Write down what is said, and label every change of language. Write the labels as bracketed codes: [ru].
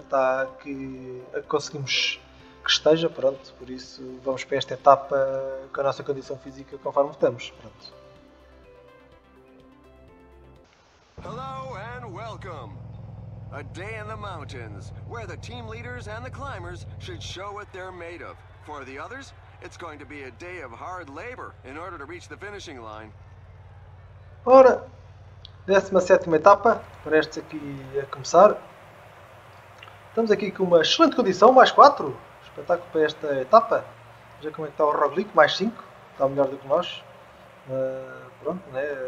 [pt] Está aqui, a que conseguimos que esteja, pronto, por isso vamos para esta etapa com a nossa condição física conforme estamos, pronto. [en] Hello and welcome. A day in the mountains, where the team leaders and the climbers should show what they're made of. For the others, it's going to be a day of hard labor in order to reach the finishing line. [pt] Ora, 17ª etapa, prestes aqui a começar. Estamos aqui com uma excelente condição, mais 4. Espetáculo para esta etapa. Veja como é que está o Roglic, mais 5. Está melhor do que nós. Pronto, né?